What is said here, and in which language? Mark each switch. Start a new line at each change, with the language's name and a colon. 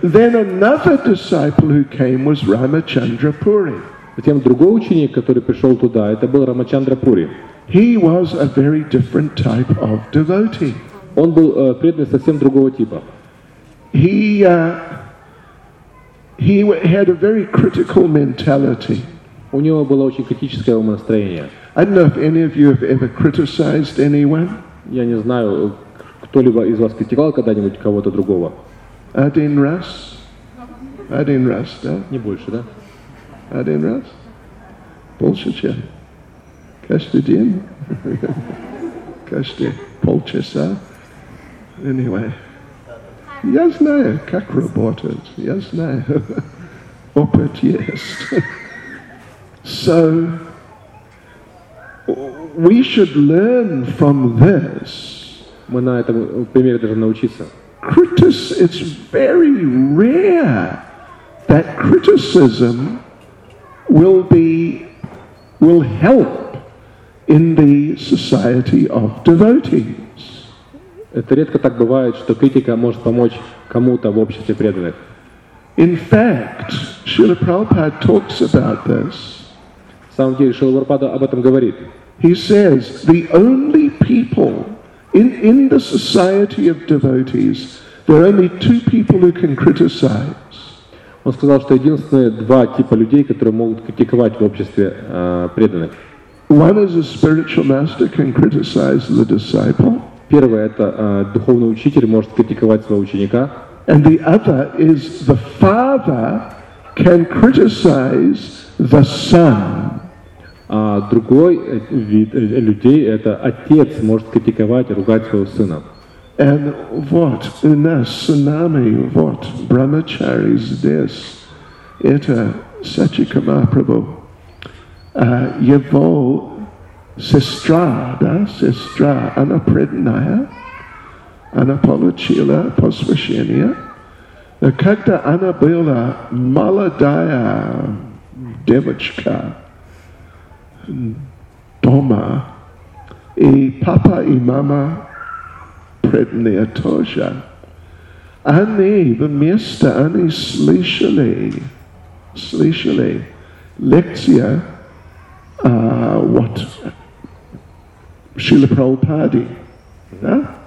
English: Then another disciple who came was Ramachandra Puri.
Russian: Затем другой ученик, который пришел туда, это был Рамачандра Пури.
English: He was a very different type of devotee.
Russian: Он был преданный совсем другого типа.
English: He had a very critical mentality.
Russian: У него было очень критическое умонастроение.
English: I don't know if any of you have ever criticized anyone.
Russian: Я не знаю, кто-либо из вас критиковал когда-нибудь кого-то другого. Один раз. Один раз, да? Не больше, да? Один раз? Больше, чем? Каждый день? Каждые полчаса?
English: Anyway.
Russian: Я знаю, как работает. Я знаю. Опыт есть.
English: So, we should learn from this.
Russian: Мы на этом примере должны научиться.
English: It's very rare that criticism will help in the society of devotees.
Russian: Это редко так бывает, что критика может помочь кому-то в обществе преданных.
English: In fact, Srila Prabhupada talks about this.
Russian: На самом деле, Шрила Прабхупада об этом говорит.
English: He says the only people in the society of devotees, there are only two people who can criticize.
Russian: Он сказал, что единственные два типа людей, которые могут критиковать в обществе преданных.
English: One is a spiritual master can criticize the disciple.
Russian: Первое это духовный учитель может критиковать своего ученика.
English: And the other is the father can criticize the son.
Russian: А другой вид людей это отец может критиковать, ругать своего сына.
English: And what in a tsunami, what brahmachari is this?
Russian: Это Сачика Махапрабху. Его сестра, да, сестра, она преданная, она получила посвящение. Когда она была молодая девочка дома, и папа и мама преданные тоже, они вместо, они слышали лекция, вот, Шрила Прабхупады, да?